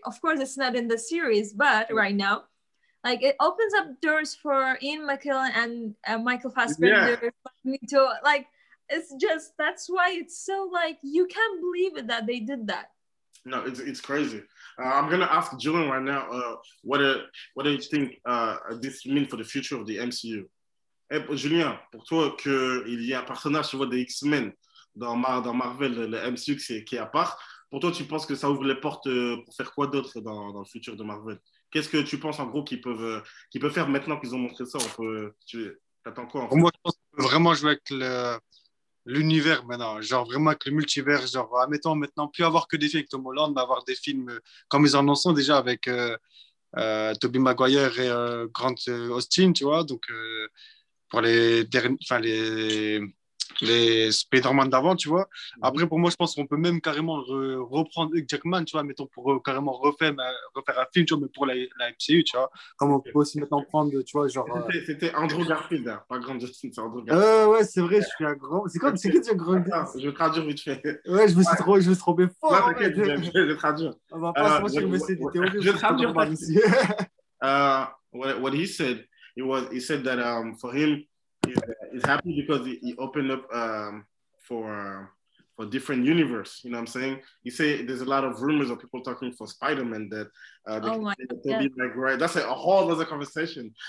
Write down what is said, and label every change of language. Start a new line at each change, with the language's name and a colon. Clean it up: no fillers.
English: Of course, it's not in the series, but right now, like it opens up doors for Ian McKellen and Michael Fassbender. Yeah. Like it's just that's why it's so like you can't believe it that they did that. No, it's crazy. I'm gonna ask Julian right now. What do you think this means for the future of the MCU?
French: Hey, Julien, pour toi, que il y a un personnage tu vois des X-Men dans Marvel, le MCU qui est à part. Pour toi, tu penses que ça ouvre les portes pour faire quoi d'autre dans le futur de Marvel? Qu'est-ce que tu penses en gros qu'ils peuvent faire maintenant qu'ils ont montré ça? T'attends quoi? Pour moi, je pense que vraiment jouer avec l'univers maintenant, genre vraiment avec le multivers, genre admettons maintenant plus avoir que des films avec Tom Holland, mais avoir des films comme ils en ont déjà avec Tobey Maguire et Grant Austin, tu vois, donc pour les derniers, enfin les Spider-Man d'avant, tu vois. Après, pour moi, je pense qu'on peut même carrément reprendre Hugh Jackman, tu vois, mettons pour carrément refaire un film, tu vois, mais pour la MCU, tu vois. Comme on peut aussi maintenant prendre, tu vois, genre. C'était Andrew Garfield, hein, pas Grant Gustin, c'est Andrew Garfield. Ouais, c'est vrai, je suis un grand. C'est qui, tu es grand? Attends, je vais traduire vite fait. Ouais, je me suis trompé fort. Non, t'inquiète, je vais traduire. On va pas se mentir, mais c'est des théories. Je vais traduire par ici.
English: What he said, he said that for him, he's happy because he opened up for different universe. You know what I'm saying? You say there's a lot of rumors of people talking for Spider-Man that that's a whole other conversation.